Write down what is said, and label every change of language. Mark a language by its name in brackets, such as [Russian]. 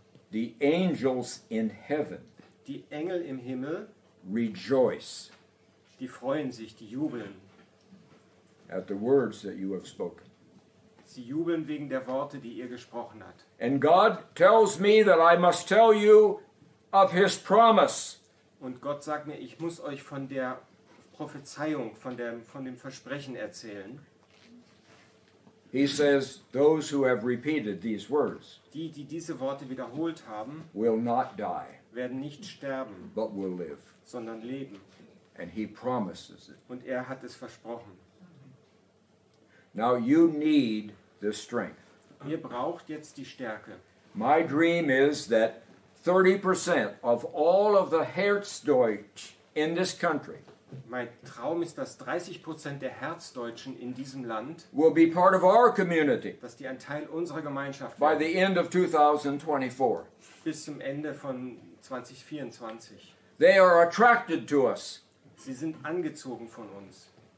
[English] The angels in heaven, [German] die Engel im Himmel, [English] rejoice, [German] die freuen sich, die jubeln, [English] at the words that you have spoken. [German] Sie jubeln wegen der Worte, die ihr gesprochen habt. [English] And God tells me that I must tell you of His promise. [German] Und Gott sagt mir, ich muss euch von der Prophezeiung, von dem Versprechen erzählen. [English] He says, those who have repeated these words, [German] die diese Worte wiederholt haben, [English] will not die, [German] werden nicht sterben, [English] but will live, [German] sondern leben. [English] And he promises it. [German] Und er hat es versprochen. [English] Now you need this strength. [German] Ihr braucht jetzt die Stärke. [English] My dream is that 30% of all of the Herzdeutsch in this country. [German] Mein Traum ist, dass 30% der Herzdeutschen in diesem Land [English] will be part of our community. [German] Dass die ein Teil unserer Gemeinschaft [English] by the end of 2024. [German] Bis zum Ende von 2024. [English] They are attracted to us. [German] Sie sind angezogen von uns.